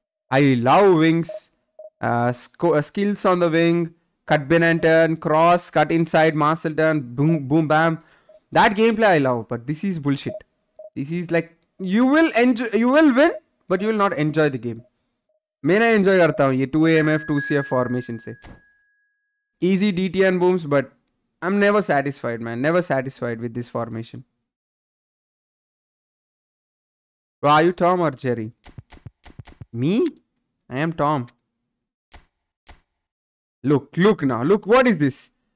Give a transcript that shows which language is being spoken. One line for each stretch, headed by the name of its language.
English: I love wings. Skills on the wing. Cut bin and turn. Cross. Cut inside. Marcel turn. Boom, boom, bam. That gameplay I love. But this is bullshit. This is like, you will win, but you will not enjoy the game.
Hindi: मैं
English: I enjoy
Hindi: करता हूँ ये 2AMF 2CF formation से।
English: Easy DTN booms, but I'm never satisfied, man. Never satisfied with this formation. Bro, are you Tom or Jerry? Me? I am Tom. Look, what is this?